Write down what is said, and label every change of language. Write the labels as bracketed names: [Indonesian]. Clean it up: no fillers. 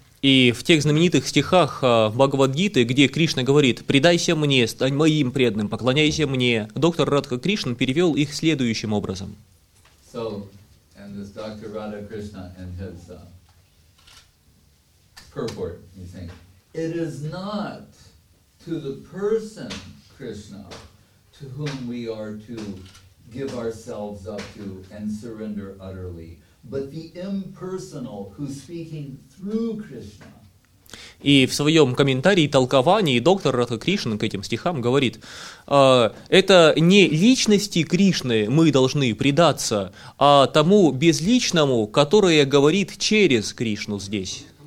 [Russian] И в тех знаменитых стихах Бхагавад-гиты, где Кришна говорит, предайся мне, стань моим преданным, поклоняйся мне, доктор Радха Кришна перевел их следующим образом. [English] So, and this Dr. Radhakrishna and his purport, he's saying, it is not to the person, Krishna, to whom we are to give ourselves up to and surrender utterly, but the impersonal who's speaking through Krishna. [Russian] И в своем комментарии, толковании доктор Радха Кришна к этим стихам говорит, это не личности Кришны мы должны предаться, а тому безличному, которое говорит через Кришну здесь.